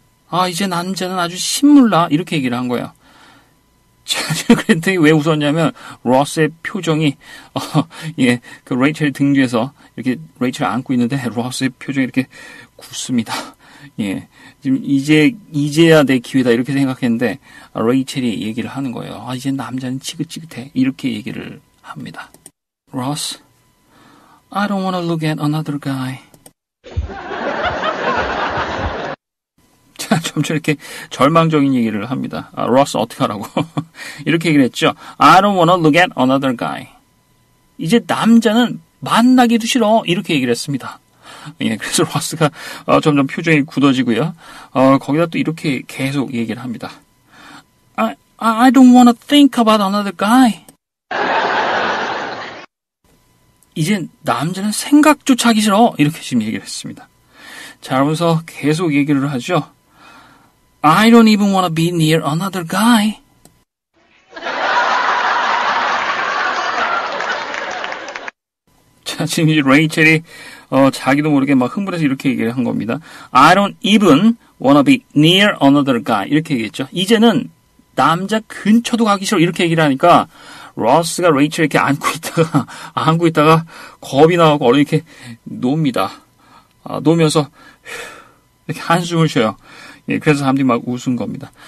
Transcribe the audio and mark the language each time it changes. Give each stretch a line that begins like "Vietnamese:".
Korean: 아, 이제 남자는 아주 신물나. 이렇게 얘기를 한 거예요. 자, 그랬더니 왜 웃었냐면 로스의 표정이 그 레이첼 등 뒤에서 이렇게 레이첼 안고 있는데 로스의 표정이 이렇게 굳습니다. 예, 지금 이제야 내 기회다 이렇게 생각했는데 레이첼이 얘기를 하는 거예요. 아, 이제 남자는 지긋지긋해. 이렇게 얘기를 합니다.
English: 로스, I don't want to look at another guy.
Korean: 자, 점점 이렇게 절망적인 얘기를 합니다. 아, 로스 어떡하라고. 이렇게 얘기를 했죠.
English: I don't want to look at another guy.
Korean: 이제 남자는 만나기도 싫어. 이렇게 얘기를 했습니다. 예, 그래서 로스가 점점 표정이 굳어지고요. 거기다 또 이렇게 계속 얘기를 합니다.
English: I don't want to think about another guy.
Korean: 이제 남자는 생각조차 하기 싫어. 이렇게 지금 얘기를 했습니다. 자, 그러면서 계속 얘기를 하죠.
English: I don't even want to be near another guy.
Korean: 자, 지금 이제 레이첼이 자기도 모르게 막 흥분해서 이렇게 얘기를 한 겁니다.
English: I don't even wanna be near another guy.
Korean: 이렇게 얘기했죠. 이제는 남자 근처도 가기 싫어. 이렇게 얘기를 하니까 로스가 레이첼 이렇게 안고 있다가 겁이 나고 이렇게 놉니다. 놓으면서 이렇게 한숨을 쉬어요. 예, 그래서 사람들이 막 웃은 겁니다.